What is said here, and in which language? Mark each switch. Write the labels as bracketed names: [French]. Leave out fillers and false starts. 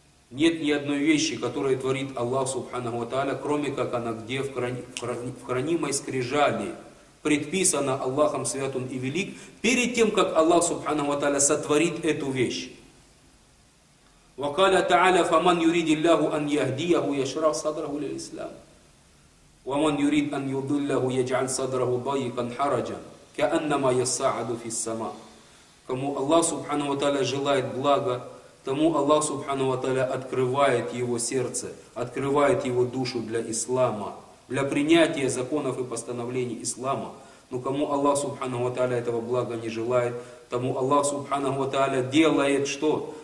[Russian] Нет ни одной вещи, которую творит Аллах Субханаху ва Тааля, кроме как она где в хранимой скрижали предписана Аллахом святым и велик перед тем, как Аллах Субханаху ва Тааля сотворит эту вещь. [Arabic] وقال تعالى فمن يريد الله أن يهديه يشرح صدره للإسلام ومن يريد أن يضله يجعل صدره ضيقا حرجا كأنما يصعد في السماء. [Russian] Кому Аллах Субханаху ва Тааля желает блага, тому Аллах Субханаху ва Тааля открывает его сердце, открывает его душу для ислама, для принятия законов и постановлений ислама. Но кому Аллах Субханаху ва Тааля этого блага не желает, тому Аллах Субханаху ва Тааля делает что?